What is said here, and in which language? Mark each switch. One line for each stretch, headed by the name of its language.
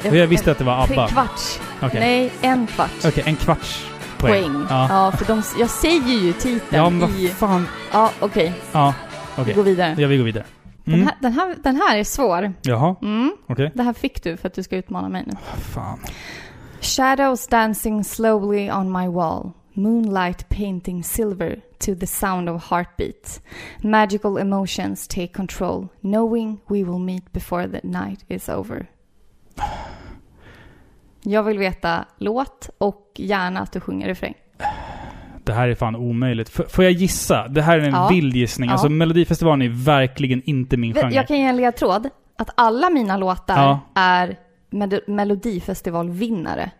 Swedish: Jag visste att det var ABBA. En kvarts. Okay. Nej, en kvarts. Okej, okay, en kvarts poäng. Ja, ja, för de, jag säger ju titeln. Ja, men i... fan. Ja, okej. Okay. Ja, okej. Okay. Vi går vidare. Ja, vi går vidare. Mm. Den här är svår. Jaha. Mm. Okej. Okay. Det här fick du för att du ska utmana mig nu. Oh, fan.
English: Shadows dancing slowly on my wall. Moonlight painting silver to the sound of heartbeat. Magical emotions take control, knowing we will meet before the night is over.
Swedish: Jag vill veta låt och gärna att du sjunger refräng. Det här är fan omöjligt. Får jag gissa? Det här är en vild gissning. Ja. Alltså, Melodifestivalen är verkligen inte min genre. Jag kan ge en ledtråd att alla mina låtar är Melodifestivalvinnare.